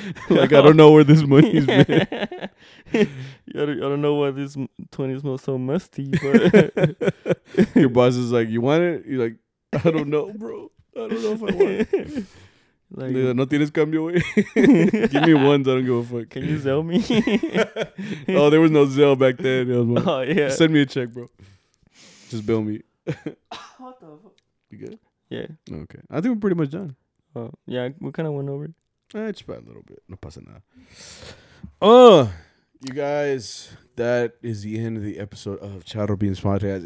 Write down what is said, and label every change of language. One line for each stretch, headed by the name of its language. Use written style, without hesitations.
English: Like, I don't know where this money's been. I don't know why this 20 smells so musty. But your boss is like, you want it? You're like, I don't know, bro. I don't know if I want it.
Spanish: Like, no tienes cambio, güey.
English: Give me ones. I don't give a fuck. Can you Zelle me? Oh, there was no Zelle back then. Like, oh, yeah. Send me a check, bro. Just bill me. What the fuck? You good? Yeah. Okay. I think we're pretty much done. Oh, yeah. We kind of went over it. Just by a little bit.
Spanish: No pasa nada.
English: Oh, you guys, that is the end of the episode of Charo Beans Podcast.